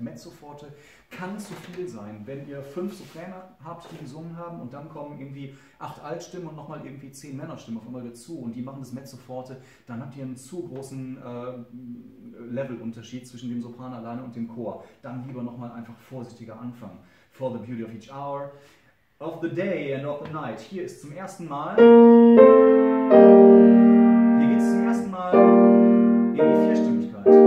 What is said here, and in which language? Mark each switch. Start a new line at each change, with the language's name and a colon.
German: Mezzo forte kann zu viel sein, wenn ihr 5 Sopräne habt, die gesungen haben und dann kommen irgendwie 8 Altstimmen und nochmal irgendwie 10 Männerstimmen auf einmal dazu und die machen das mezzo forte, dann habt ihr einen zu großen Levelunterschied zwischen dem Sopran alleine und dem Chor. Dann lieber nochmal einfach vorsichtiger anfangen.
English: For the beauty of each hour, of the day and of the night.
German: Hier ist zum ersten Mal. Hier geht es zum ersten Mal in die Vierstimmigkeit.